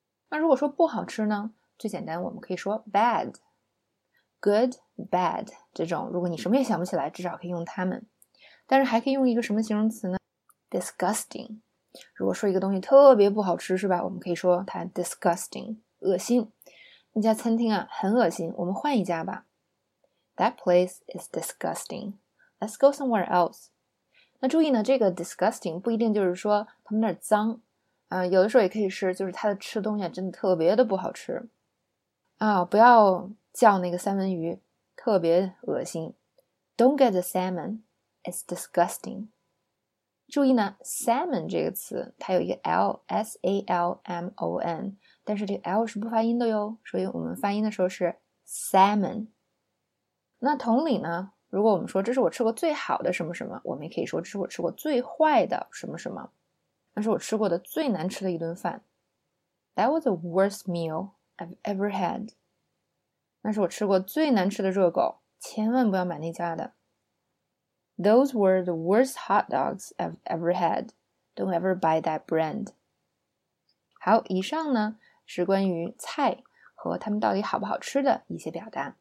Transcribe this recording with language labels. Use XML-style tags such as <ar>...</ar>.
<zh>那如果说不好吃呢，最简单我们可以说 bad， good， bad 这种。如果你什么也想不起来，至少可以用它们。但是还可以用一个什么形容词呢？</zh> <en>disgusting。</en> <zh>如果说一个东西特别不好吃，是吧？我们可以说它 disgusting， 恶心。那家餐厅啊，很恶心。我们换一家吧。</zh> <en>That place is disgusting. Let's go somewhere else.</en> <zh>那注意呢，这个 disgusting 不一定就是说他们那儿脏，有的时候也可以是就是他的吃东西真的特别的不好吃。不要叫那个三文鱼，特别恶心。</zh> <en>Don't get the salmon. It's disgusting.</en> <zh>注意呢 ,salmon 这个词它有一个 L, S-A-L-M-O-N, 但是这个 L 是不发音的哟，所以我们发音的时候是 salmon。那同理呢，如果我们说这是我吃过最好的什么什么，我们也可以说这是我吃过最坏的什么什么，那是我吃过的最难吃的一顿饭。</zh> <en>That was the worst meal I've ever had.</en> <zh>那是我吃过最难吃的热狗，千万不要买那家的。</zh> <en>Those were the worst hot dogs I've ever had. Don't ever buy that brand.</en> <zh>好，以上呢，是关于菜和它们到底好不好吃的一些表达。</zh>